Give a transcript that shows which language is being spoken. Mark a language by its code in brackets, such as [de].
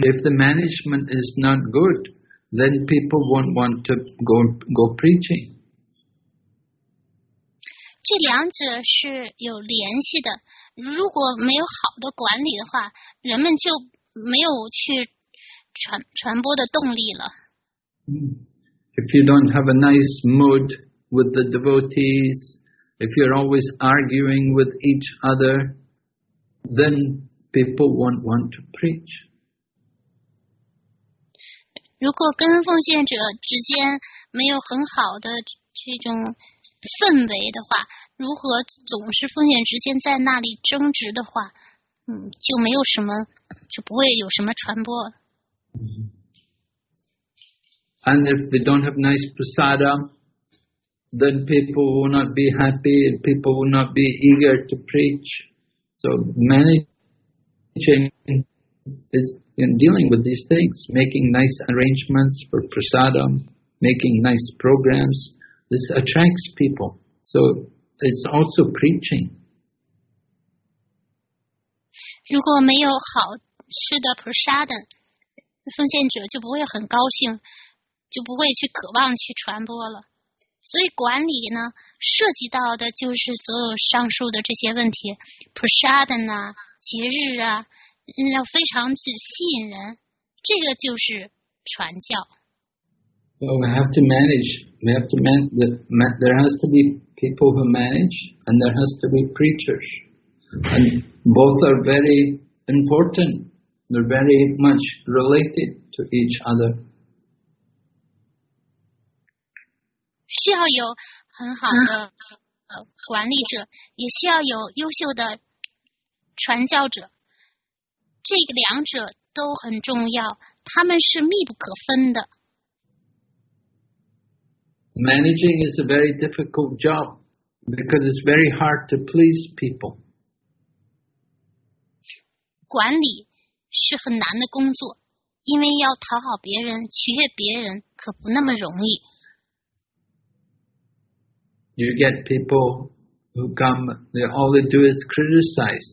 [en] If the management is not good, then people won't want to go preaching. [zh] 这两者是有联系的，如果没有好的管理的话，人们就没有去传播的动力了。 [en] If you don't have a nice mood with the devotees, if you're always arguing with each other, then people won't want to preach. [zh] 如果跟奉献者之间没有很好的这种氛围的话，如何总是奉献之间在那里争执的话，就没有什么，就不会有什么传播。 [en] And if they don't have nice prasada, then people will not be happy, and people will not be eager to preach. So managing is dealing with these things, making nice arrangements for prasada, making nice programs. This attracts people. So it's also preaching. [zh] 如果没有好吃的 prasada, 奉献者就不会很高兴，就不会去渴望去传播了。所以管理呢，涉及到的就是所有上述的这些问题， prasada 呢，节日啊，要非常去吸引人，这个就是传教。 [en] Well, we have to manage. We have to there has to be people who manage, and there has to be preachers. And both are very important. They're very much related to each other. [zh] 需要有很好的管理者，也需要有优秀的传教者。这个两者都很重要，他们是密不可分的。 [en] Managing is a very difficult job because it's very hard to please people. [zh] 管理是很难的工作，因为要讨好别人、取悦别人可不那么容易。 [en] You get people who come, all they do is criticize.